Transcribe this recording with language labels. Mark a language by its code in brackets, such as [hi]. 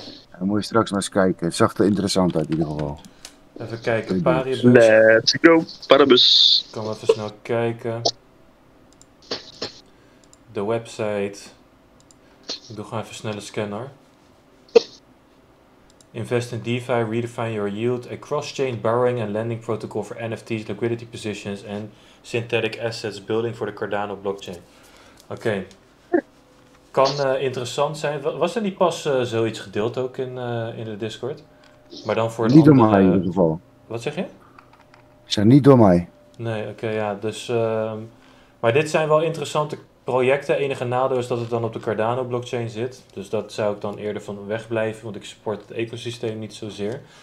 [nl] Ja, dan moet je straks maar eens kijken. Het zag er interessant uit in ieder geval. Even kijken, Parabus. [en] Let's go, Parabus. [nl] Ik kan even snel kijken. De website. Ik doe gewoon even een snelle scanner. [en] Invest in DeFi, redefine your yield, a cross-chain borrowing and lending protocol for NFTs, liquidity positions and synthetic assets building for the Cardano blockchain. [nl] Oké. Okay. Kan interessant zijn. Was er niet pas zoiets gedeeld ook in de Discord? Maar dan voor niet door mij in ieder geval. Wat zeg je? Zijn niet door mij. Nee, oké, okay, ja. Dus, maar dit zijn wel interessante projecten. Enige nadeel is dat het dan op de Cardano blockchain zit. Dus dat zou ik dan eerder van wegblijven, want ik support het ecosysteem niet zozeer.